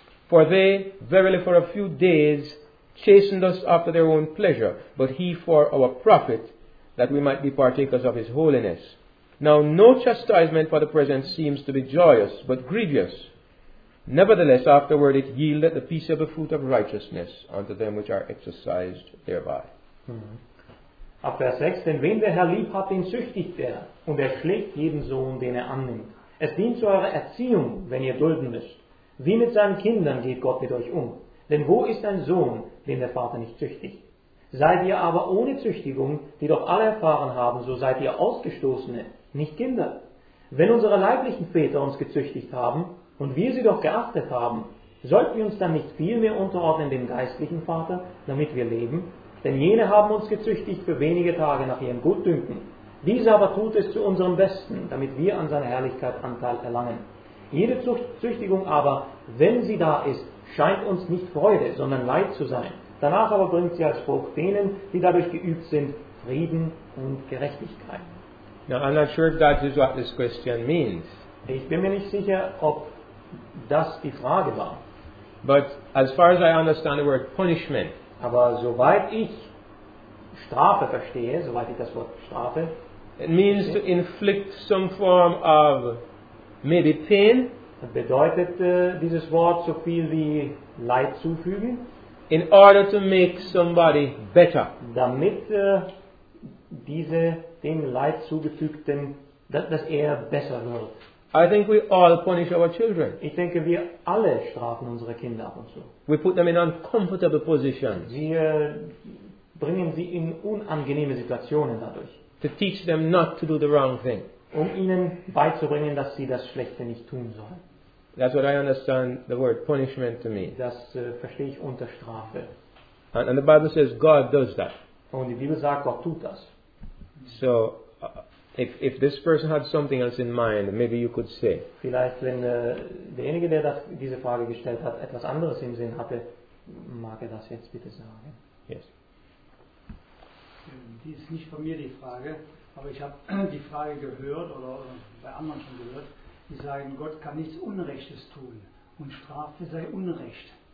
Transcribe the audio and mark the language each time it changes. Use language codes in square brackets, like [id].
[en] For they, verily for a few days, chastened us after their own pleasure, but he for our profit, that we might be partakers of his holiness. Now no chastisement for the present seems to be joyous, but grievous. Nevertheless, afterward it yieldeth the peaceable fruit of righteousness unto them which are exercised thereby. [de] Ab Vers 6, denn wen der Herr lieb hat, den züchtigt er, und er schlägt jeden Sohn, den er annimmt. Es dient zu eurer Erziehung, wenn ihr dulden müsst. Wie mit seinen Kindern geht Gott mit euch um. Denn wo ist ein Sohn, den der Vater nicht züchtigt? Seid ihr aber ohne Züchtigung, die doch alle erfahren haben, so seid ihr Ausgestoßene, nicht Kinder. Wenn unsere leiblichen Väter uns gezüchtigt haben und wir sie doch geachtet haben, sollten wir uns dann nicht viel mehr unterordnen dem geistlichen Vater, damit wir leben? Denn jene haben uns gezüchtigt für wenige Tage nach ihrem Gutdünken. Dieser aber tut es zu unserem Besten, damit wir an seiner Herrlichkeit Anteil erlangen. Jede Züchtigung aber, wenn sie da ist, scheint uns nicht Freude, sondern Leid zu sein. Danach aber bringt sie als Frucht denen, die dadurch geübt sind, Frieden und Gerechtigkeit. [en] Now, I'm not sure if that is what this question means. [de] Ich bin mir nicht sicher, ob das die Frage war. [en] But as far as I understand the word punishment, [de] aber soweit ich Strafe verstehe, soweit ich das Wort Strafe, [en] it means verstehe, to inflict some form of maybe pain. [de] Bedeutet dieses Wort so viel wie Leid zufügen? [en] In order to make somebody better. [de] Damit diese dem Leid zugefügten, dass er besser wird. [en] I think we all punish our children. [de] Ich denke, wir alle strafen unsere Kinder ab und zu. [en] We put them in uncomfortable positions. [de] Wir bringen sie in unangenehme Situationen dadurch. [en] To teach them not to do the wrong thing. [de] Um ihnen beizubringen, dass sie das Schlechte nicht tun sollen. [en] That's what I understand the word punishment to mean. [de] Das verstehe ich unter Strafe. [en] And the Bible says God does that. [de] Und die Bibel sagt, Gott tut das. [en] So, if this person had something else in mind, maybe you could say. [de] Vielleicht, wenn derjenige, der das, diese Frage gestellt hat, etwas anderes im Sinn hatte, mag er das jetzt bitte sagen. [en] Yes. [de] Die ist nicht von mir, die Frage, aber ich habe die Frage gehört oder bei anderen schon gehört, die sagen, Gott kann nichts Unrechtes tun und Strafe sei Unrecht.